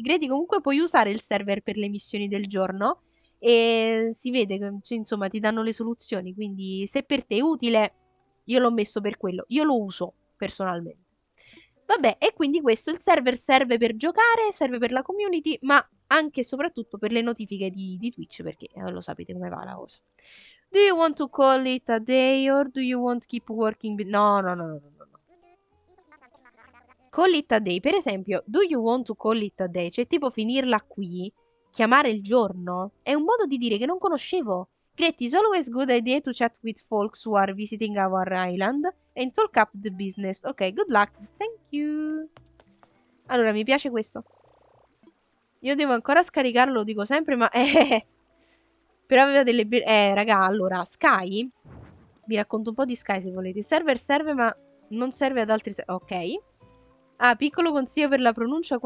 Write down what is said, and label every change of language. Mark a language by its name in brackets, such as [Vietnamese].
[Italian] Greti, comunque puoi usare il server per le missioni del giorno e si vede, cioè, insomma, ti danno le soluzioni, quindi se per te è utile, io l'ho messo per quello, io lo uso personalmente. Vabbè, e quindi questo, il server serve per giocare, serve per la community, ma anche e soprattutto per le notifiche di Twitch, perché lo sapete come va la cosa. [English] Do you want to call it a day or do you want to keep working? No. Call it a day, [Italian] per esempio, [English] do you want to call it a day? [Italian] Cioè, tipo finirla qui. Chiamare il giorno è un modo di dire che non conoscevo. [English] Gretti, it's always good idea to chat with folks who are visiting our island and talk up the business. Ok, good luck. Thank you. [Italian] Allora, mi piace questo. Io devo ancora scaricarlo, lo dico sempre, ma... Però aveva delle... raga, allora, Sky... Vi racconto un po' di Sky, se volete. Server serve, ma non serve ad altri... Ok. Ah, piccolo consiglio per la pronuncia.